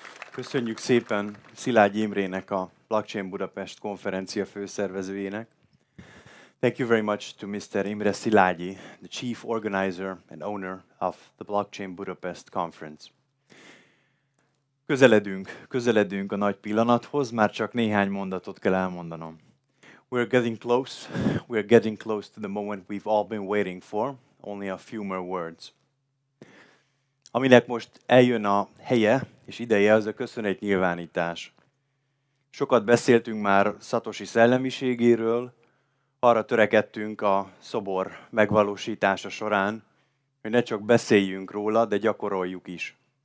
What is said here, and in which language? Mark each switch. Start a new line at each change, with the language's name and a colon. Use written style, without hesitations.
Hungarian: Köszönjük szépen Szilágyi Imrének, a Blockchain Budapest konferencia főszervezőjének.
English: Thank you very much to Mr. Imre Szilágyi, the chief organizer and owner of the Blockchain Budapest conference.
Hungarian: Közeledünk a nagy pillanathoz, már csak néhány mondatot kell elmondanom.
English: We're getting close to the moment we've all been waiting for, only a few more words.
Hungarian: Aminek most eljön a helye és ideje, az a köszönet nyilvánítás. Sokat beszéltünk már Satoshi szellemiségéről, arra törekedtünk a szobor megvalósítása során, hogy ne csak beszéljünk róla, de gyakoroljuk is.